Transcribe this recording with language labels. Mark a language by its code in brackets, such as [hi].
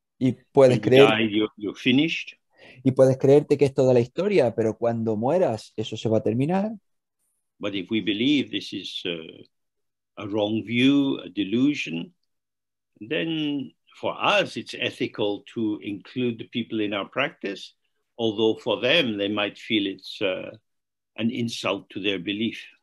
[es] Y [en] When you die, you're finished. [es] Puedes creerte que es toda la historia, pero cuando mueras, eso se va a terminar. [en] But if we believe this is a wrong view, a delusion, then for us it's ethical to include the people in our practice, although for them they might feel it's an insult to their belief.